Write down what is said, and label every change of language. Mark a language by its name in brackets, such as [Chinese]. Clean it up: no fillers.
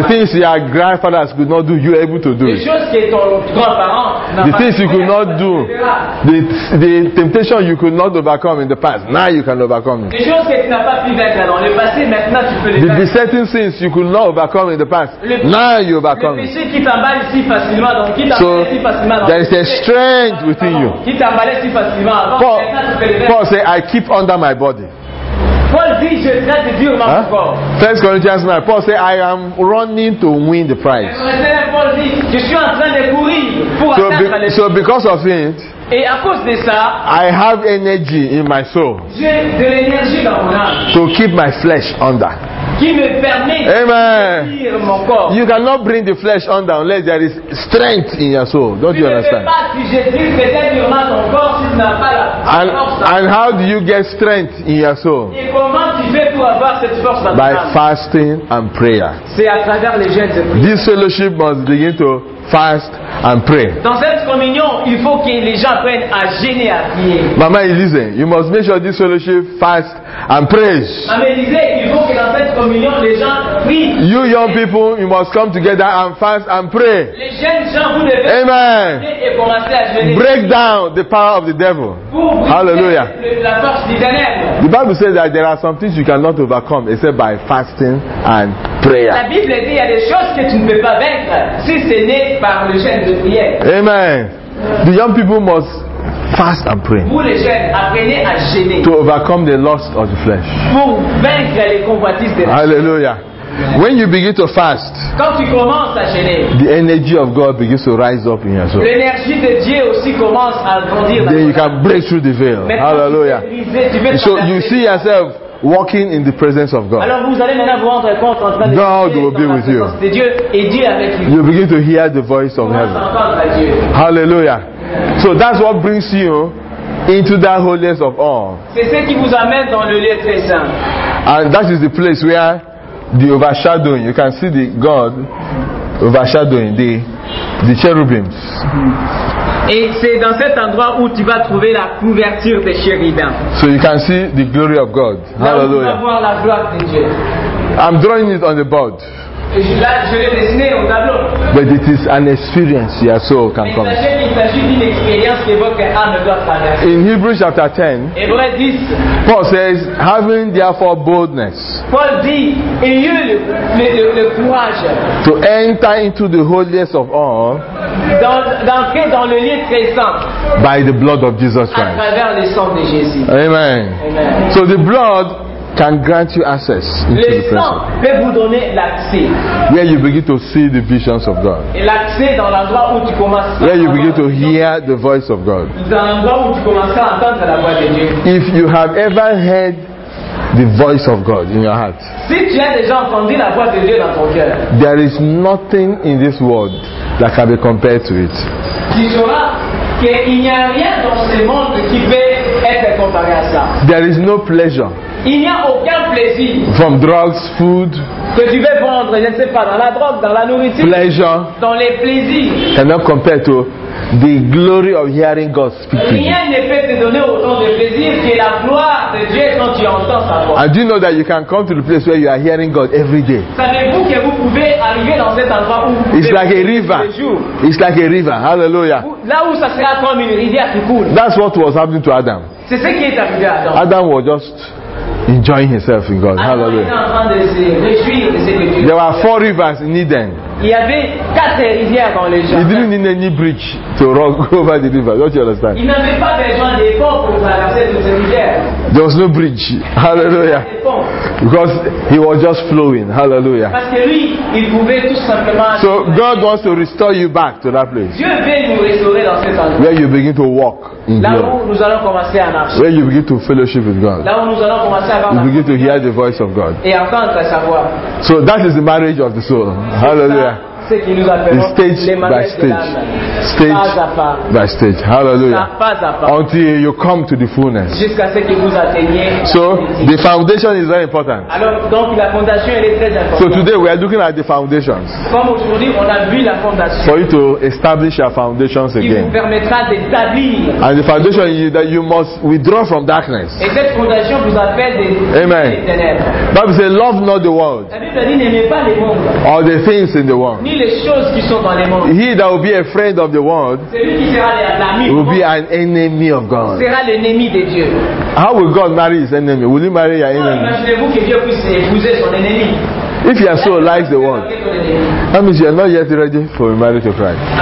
[English] pas. The things your grandfathers could not do, you are able to do. [French] Les choses que ton grand-parent n'a pas. [English] The things you could not do, the temptation you could not overcome in the past, now you can overcome it. [French] Les choses que tu n'as pas pu vaincre dans le passé, maintenant tu peux les vaincre. [English] The certain sins you could not overcome in the past, now you overcome. [French] Le péché qui t'emballe si facilement, donc qui t'emballe si facilement. [English] There is a strength within you. [French] Qui t'emballe si facilement avant, maintenant tu peux les vaincre. [English] Paul say, I keep under my body. [French] Paul dit, je traite durement mon corps. [English] 1 Corinthians 9, Paul said, I am running to win the prize. [French] Paul dit, je suis en train de courir pour atteindre le. [English] So because of it, [French] et à cause de ça, [English] I have energy in my soul. [French] J'ai de l'énergie dans mon âme. [English] To keep my flesh under. [French] Qui me permet de tenir mon corps. [English] You cannot bring the flesh under unless there is strength in your soul. Don't you understand? And how do you get strength in your soul? [French] Et comment tu fais pour avoir cette force dans ton [English] By [French] âme? [English] Fasting and prayer. [French] C'est à travers les jeunes. [English] This fellowship must begin to fast and pray. [French] Dans cette communion, il faut que les gens apprennent à jeûner et à prier. [English] Maman Elise, you must make sure this fellowship fast and prays. [French] Maman Elise, il faut que dans cette communion, les gens prient. [English] You young people, you must come together and fast and pray. [French] Les jeunes gens, vous devez Amen. Et commencer à jeûner. [English] Break down the power of the devil. Hallelujah. [French] La force du ténèbre. [English] The Bible says that there are some things you cannot overcome except by fasting and prayer. [French] La Bible dit il y a des choses que tu ne peux pas vaincre si ce n'est par le jeûne de prière. [English] Amen. The young people must fast and pray. [French] Vous les jeunes, apprenez à jeûner. [English] To overcome the lust of the flesh. [French] Pour vaincre les convoitises de la chair. [English] Hallelujah. When you begin to fast, [French] quand tu commences à jeûner, [English] the energy of God begins to rise up in your soul. [French] L'énergie de Dieu aussi commence à grandir. [English] Then you can break through the veil. [French] Maintenant, hallelujah. Tu [English] so you see yourself walking in the presence of God. [French] Alors vous allez maintenant vous rendre compte en train de [English] God will be with you. [French] Dieu et Dieu avec vous. [English] You begin to hear the voice of heaven. Hallelujah. So that's what brings you into that holiness of all. [French] C'est ce qui vous amène dans le lieu très saint. [English] And that is the place where the overshadowing, you can see the God overshadowing the cherubims. [French] Et c'est dans cet endroit où tu vas trouver la couverture des chérubins. [English] So you can see the glory of God. Hallelujah. [French] Là, vous pouvez voir la gloire de Dieu. [English] I'm drawing it on the board. [French] Et là, je l'ai dessiné au tableau. [English] But it is an experience your soul can come. [French] Mais il s'agit d'une expérience que votre âme doit traverser. [English] In Hebrews chapter 10, [French] Hébreux 10, [English] Paul says, having therefore boldness, [French] Paul dit, ayez le courage [English] to enter into the holiest of all, [French] d'entrer dans le lieu très saint, [English] by the blood of Jesus Christ, [French] à travers le sang de Jésus. Amen. Amen. [English] So the blood can grant you access into [French] le [English] the presence. [French] Le sang peut vous donner l'accès. [English] Where you begin to see the visions of God. [French] Et l'accès dans l'endroit où tu commences. [English] Where you begin to hear the voice of God. [French] Dans l'endroit où tu commences à entendre la voix de Dieu. [English] If you have ever heard the voice of God in your heart. [French] Si tu as déjà entendu la voix de Dieu dans ton cœur. [English] There is nothing in this world that can be compared to it. [French] Tu sauras qu'il n'y a rien dans ce monde qui peut être comparé à ça. [English] There is no pleasure. [French] Il n'y a aucun plaisir. [English] From drugs, food. [French] Que tu veux vendre, je ne sais pas, dans la drogue, dans la nourriture. [English] Pleasure. [French] Dans les plaisirs. [English] Cannot compare to the glory of hearing God speak. [French] Rien ne peut te donner autant de plaisir que la gloire de Dieu quand tu entends sa voix. [English] And do you know that you can come to the place where you are hearing God every day? [French] Savez-vous que vous pouvez arriver dans cet endroit où vous pouvez. [English] It's like a river. It's like a river. Hallelujah. [French] Là où ça sera comme une rivière qui coule. [English] That's what was happening to Adam. [French] C'est ce qui est arrivé à Adam. [English] Adam was just enjoying himself in God. Hallelujah. There were four rivers in Eden. [French] Il y avait quatre rivières dans le Jordan. [English] He didn't need any bridge to run over the river. Don't you understand? [French] Il n'avait pas besoin des ponts pour traverser toutes ces rivières. [English] There was no bridge. Hallelujah. Because he was just flowing. Hallelujah. [French] Parce que lui, il pouvait tout simplement. [English] So God wants to restore you back to that place. [French] Dieu veut nous restaurer dans cet endroit. [English] Where you begin to walk in [French] Là où nous allons commencer à marcher. [English] Where you begin to fellowship with God. [French] Là où nous allons commencer à avoir. [English] You begin to hear the voice of God. [French] Et entendre sa voix. [English] So that is the marriage of the soul. Hallelujah. [French] ce qui nous appelons [English] stage [French] les manières de l'âme. Stage pas à pas. [English] By stage. Hallelujah. [French] Pas à pas. [English] Until you come to the fullness. [French] Jusqu'à ce que vous atteigniez. [English] So the foundation is very important. [French] Alors donc la fondation elle est très importante. [English] So today we are looking at the foundations. [French] Comme aujourd'hui on a vu la fondation. [English] For you to establish your foundations again. [French] Qui vous permettra d'établir. [English] And the foundation is that you must withdraw from darkness. [French] Et cette fondation vous appelle des ténèbres. [English] Amen. Bible says, love not the world. [French] La Bible dit n'aimez pas le monde. [English] Or the things in the world. [French] Ni les choses qui sont dans le monde. [English] He that will be a friend of the world will be an enemy of God. [French] Sera l'ennemi de Dieu. [English] How will God marry his enemy? Will he marry your enemy? [French] Imaginez-vous que Dieu puisse épouser son ennemi. [English] If you are so like the world, that means you are not yet ready for marriage to Christ.